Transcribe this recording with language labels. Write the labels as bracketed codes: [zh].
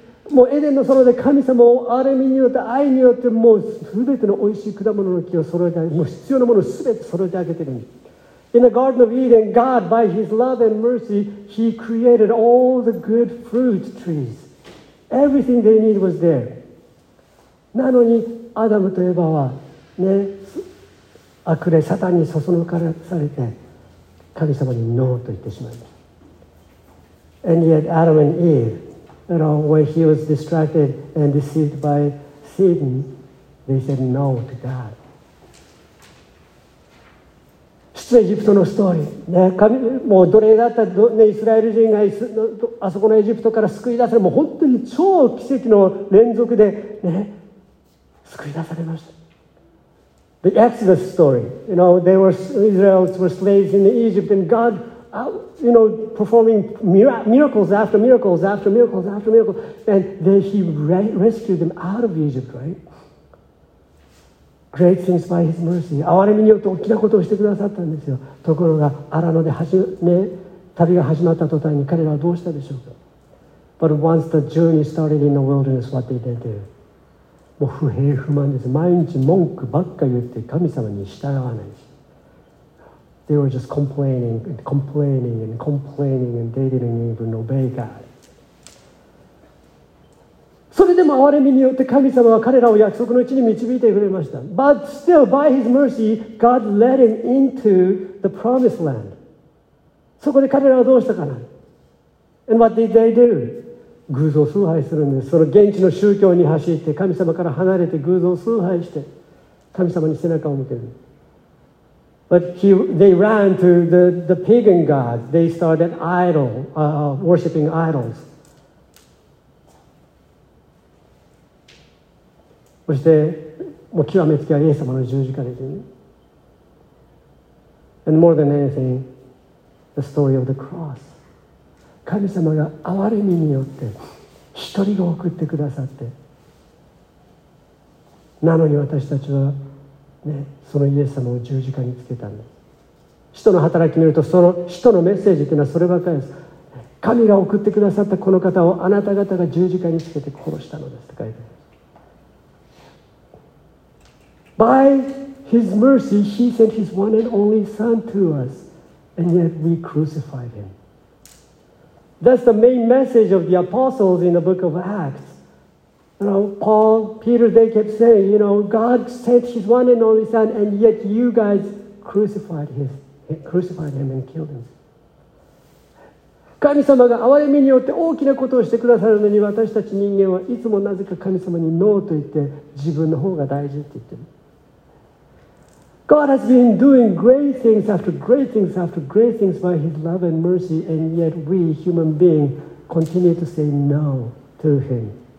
[ja] もうエデンの園で神様をある意味によって愛によってもう全ての美味しい果物の木を揃えて、もう必要なものを全て揃えてあげてるんです。 [en] In the Garden of Eden, God, by His love and mercy, He created all the good fruit trees. Everything they need was there. [ja] なのにアダムとエヴァはね、悪霊サタンにそそのかされて神様にノーと言ってしまいました。 [en] And yet Adam and Eve, you know, when he was distracted and deceived by Satan, they said no to God. [ja] 出エジプトのストーリー、ね、神もう奴隷だった、ね、イスラエル人があそこのエジプトから救い出され、もう本当に超奇跡の連続で、ね、救い出されました。 [en] The Exodus story, you know, Israelites were slaves in Egypt, and God, you know, performing miracles after miracles after miracles after miracles, and then He rescued them out of Egypt, right? Great things by His mercy. [ja] 憐れみによって大きなことをしてくださったんですよ。ところが、アラノで旅が始まった途端に彼らはどうしたでしょうか? [en] But once the journey started in the wilderness, what did they do? [ja] もう不平不満です。毎日文句ばっか言って神様に従わないし。 [en] They were just complaining and complaining and complaining and they didn't even obey God. [ja] それでも憐れみによって神様は彼らを約束の地に導いてくれました。 [en] But still, by his mercy, God led him into the promised land. [ja] そこで彼らはどうしたかな ? [en] And what did they do? [ja] 偶像を崇拝するんです。その現地の宗教に走って神様から離れて偶像を崇拝して神様に背中を向ける。 [en] But they ran to the pagan gods. They started worshiping idols. [ja] そして、もう極めつけはイエス様の十字架ですね。 [en] And more than anything, the story of the cross. [ja] 神様が憐れみによって一人を送ってくださって、なのに私たちは、ね、そのイエス様を十字架につけたんです。使徒の働きによると、その使徒のメッセージというのはそればかりです。神が送ってくださったこの方をあなた方が十字架につけて殺したのですと書いてある。 [en] By his mercy, he sent his one and only son to us, and yet we crucified him. That's the main message of the apostles in the book of Acts. You know, Paul, Peter, they kept saying, you know, God sent his one and only son, and yet you guys crucified him and killed him. [ja] 神様が憐れみによって大きなことをしてくださるのに、私たち人間はいつもなぜか神様にノーと言って、自分の方が大事って言ってる。 [en] God has been doing great things after great things after great things by his love and mercy, and yet we human beings continue to say no to him.